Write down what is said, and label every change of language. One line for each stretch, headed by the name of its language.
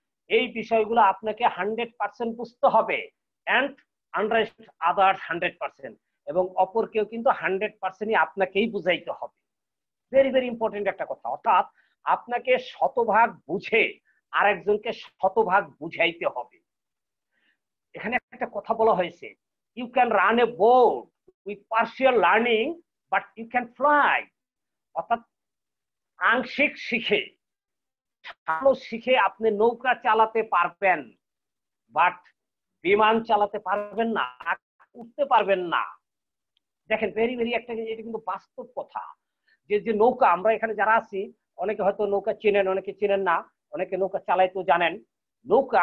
Bangla: এই বিষয়গুলো আপনাকে 100% বুঝতে হবে,
English: and understand others 100%,
Bangla: এবং অপর কেউ কিন্তু 100%ই আপনাকেই বুঝাইতে হবে।
English: very very important
Bangla: একটা কথা, অর্থাৎ আপনাকে শতভাগ বুঝে আরেকজনকে শতভাগ বুঝাইতে হবে। এখানে একটা কথা বলা হয়েছে,
English: You can run a boat with partial learning, but you can fly.
Bangla: অর্থাৎ আংশিক শিখে ভালো শিখে আপনি নৌকা চালাতে পারবেন, বাট বিমান চালাতে পারবেন না, উঠতে পারবেন না। দেখেন ভেরি ভেরি একটা, এটা কিন্তু বাস্তব কথা যে যে নৌকা আমরা এখানে যারা আছি, অনেকে হয়তো নৌকা চিনেন, অনেকে চিনেন না, অনেকে নৌকা চালাইতেও জানেন নৌকা।